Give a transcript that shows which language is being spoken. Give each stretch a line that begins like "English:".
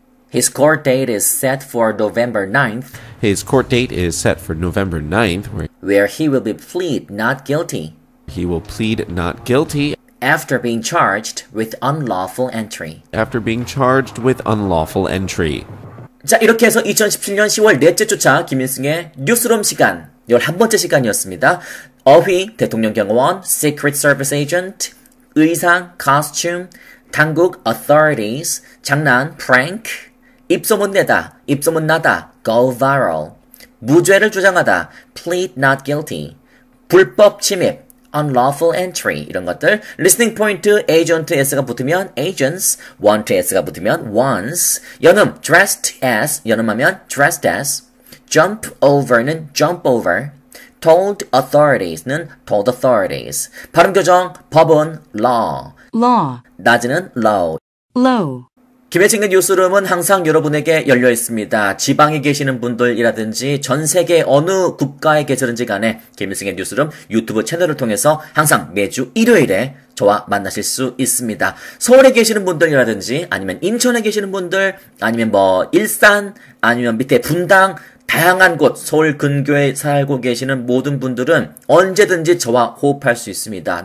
English: His court date is set for November 9th. His court date is set for November 9th. Where he will be plead not guilty. He will plead not guilty after being charged with unlawful entry. After being charged with unlawful entry.
Korean: 자, 이렇게 해서 2017년 10월 넷째 주차 김인승의 뉴스룸 시간 11번째 시간이었습니다. 어휘, 대통령 경호원, Secret Service Agent, 의상, costume, 당국, authorities, 장난, prank, 입소문 내다, 입소문 나다, go viral, 무죄를 주장하다, plead not guilty,
English: 불법 침입, unlawful entry
Korean: 이런 것들
English: listening point to agent s가 붙으면 agents want s가 붙으면 once 연음 dressed as 연음하면 dressed as jump over는 jump over told authorities는 told authorities
Korean: 발음 교정 법은
English: law law
Korean: 낮은 low
English: low
Korean: 김혜진의 뉴스룸은 항상 여러분에게 열려 있습니다. 지방에 계시는 분들이라든지 전 세계 어느 국가에 계시든지 간에 김혜진의 뉴스룸 유튜브 채널을 통해서 항상 매주 일요일에 저와 만나실 수 있습니다. 서울에 계시는 분들이라든지 아니면 인천에 계시는 분들 아니면 뭐 일산 아니면 밑에 분당 다양한 곳 서울 근교에 살고 계시는 모든 분들은 언제든지 저와 호흡할 수 있습니다.